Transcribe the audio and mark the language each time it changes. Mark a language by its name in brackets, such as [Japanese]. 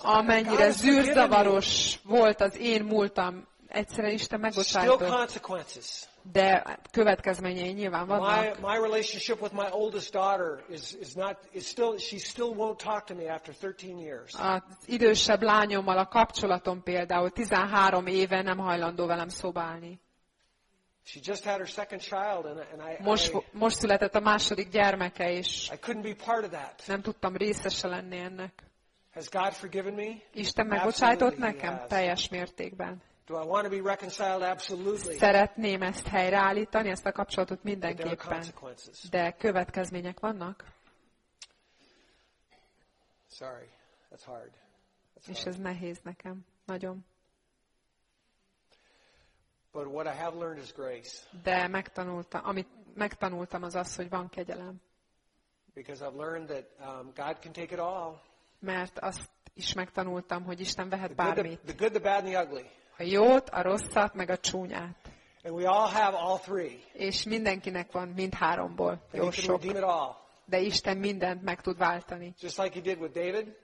[Hungarian] Amennyire zűrzavaros volt az én múltam, egyszerűen Isten megbocsájtott. De következményei nyilván vannak. [English] My relationship with my oldest daughter is still won't talk to me after 13 years. [Hungarian] Az idősebb lányommal a kapcsolatom például 13 éve nem hajlandó velem szóba állni. [English] She just had her second child and I [Hungarian] most született a második gyermeke is. [English] I couldn't be part of that. [Hungarian] Nem tudtam részese lenni ennek. [English] Has God forgiven me? [Hungarian] Isten megbocsájtott nekem teljes mértékben. [English] Do I want to be reconciled absolutely? [Hungarian] Szeretném ezt helyreállítani, ezt a kapcsolatot mindenképpen. De következmények vannak. [English] Sorry, that's hard. [Hungarian] És ez nehéz nekem, nagyon. [English] But what I have learned is grace. [Hungarian] De amit megtanultam az, hogy van kegyelem. [English] Because I've learned that God can take it all. [Hungarian] Mert azt is megtanultam, hogy Isten vehet bármit. [English] The good, the bad, and the ugly. [Hungarian] A jót, a rosszat, meg a csúnyát. [English] And we all have all three. [Hungarian] És mindenkinek van mind háromból. Jó sok. De Isten mindent meg tud váltani. [English] Just like he did with David.